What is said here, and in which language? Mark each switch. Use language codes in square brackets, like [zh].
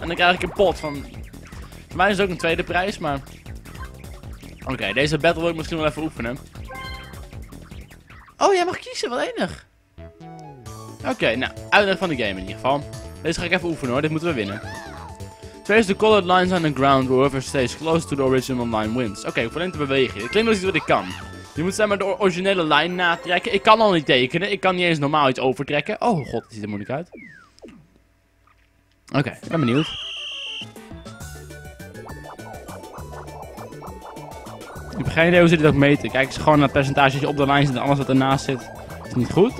[nl] En dan krijg ik een pot van... Voor mij is het ook een tweede prijs, maar... Oké, deze battle wil ik misschien wel even oefenen. Oh, jij mag kiezen, wat enig. Oké, nou, uitleg van de game in ieder geval. Deze ga ik even oefenen hoor, dit moeten we winnen. [en] Face the colored lines on the ground, whoever stays close to the original line wins. [nl] Oké, ik probeer te bewegen. Het klinkt als iets wat ik kan. Je moet zeg maar de originele lijn natrekken. Ik kan al niet tekenen. Ik kan niet eens normaal iets overtrekken. Oh god, dat ziet er moeilijk uit. Oké, ik ben benieuwd. Ik heb geen idee hoe ze dit ook meten. Kijken ze gewoon naar het percentage op de lijn zit en alles wat ernaast zit. Is niet goed?